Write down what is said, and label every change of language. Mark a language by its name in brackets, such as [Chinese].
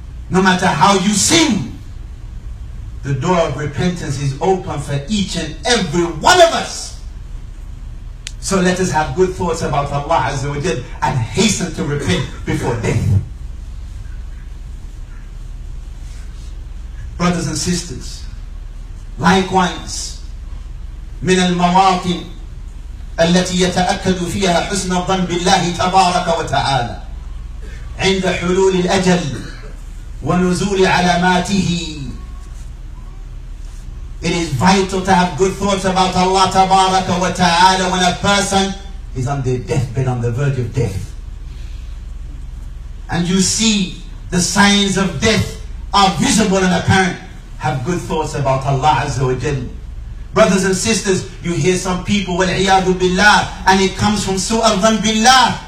[English] No matter how you sin, the door of repentance is open for each and every one of us. So let us have good thoughts about Allah Azza wa Jal and hasten to repent before death. Brothers and sisters, likewise, [Arabic] من المواطن التي يتأكد فيها حسن الظن بالله تبارك وتعالى عند حلول الأجل ونزول علاماته. [English] It is vital to have good thoughts about Allah Tabaraka wa Ta'ala when a person is on their deathbed, on the verge of death. And you see the signs of death are visible and apparent. Have good thoughts about Allah Azza wa Jal. Brothers and sisters, you hear some people, wal-iyadu billah, and it comes from su'al dhan billah.